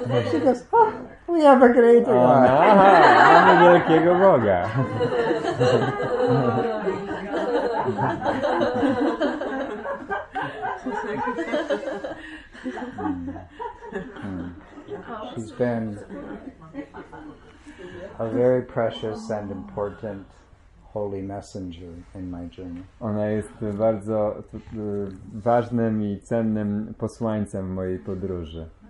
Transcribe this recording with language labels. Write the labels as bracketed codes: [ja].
[en] She goes, oh, we have a great God. [pl] Ona, aha, mamy wielkiego Boga. [en] She's been a very precious and important holy messenger in my journey. [pl] Ona jest bardzo ważnym i cennym posłańcem w mojej podróży.